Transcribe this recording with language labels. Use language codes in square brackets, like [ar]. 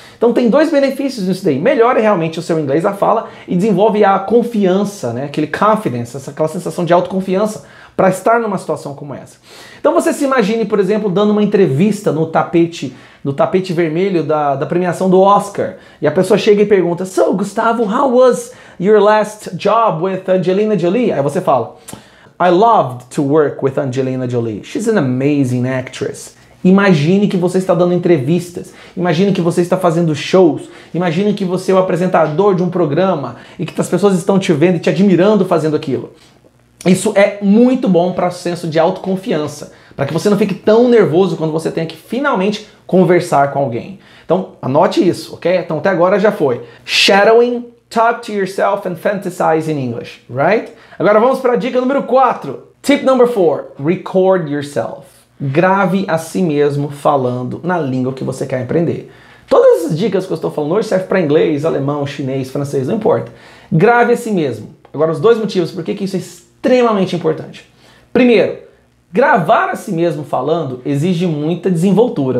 [pt] Então tem dois benefícios nisso daí. Melhora realmente o seu inglês, a fala, e desenvolve a confiança, né? Aquele confidence, aquela sensação de autoconfiança para estar numa situação como essa. Então você se imagine, por exemplo, dando uma entrevista no tapete vermelho da premiação do Oscar. E a pessoa chega e pergunta, [en] So, Gustavo, how was your last job with Angelina Jolie? [pt] Aí você fala, [en] I loved to work with Angelina Jolie. She's an amazing actress. [pt] Imagine que você está dando entrevistas, imagine que você está fazendo shows, imagine que você é o apresentador de um programa e que as pessoas estão te vendo e te admirando fazendo aquilo. Isso é muito bom para o senso de autoconfiança, para que você não fique tão nervoso quando você tenha que finalmente conversar com alguém. Então, anote isso, ok? Então, até agora já foi. [en] Shadowing, talk to yourself and fantasize in English, right? [pt] Agora vamos para a dica número 4. [en] Tip number 4, record yourself. [pt] Grave a si mesmo falando na língua que você quer aprender. Todas as dicas que eu estou falando hoje servem para inglês, alemão, chinês, francês, não importa. Grave a si mesmo. Agora, os dois motivos por que isso é extremamente importante. Primeiro, gravar a si mesmo falando exige muita desenvoltura.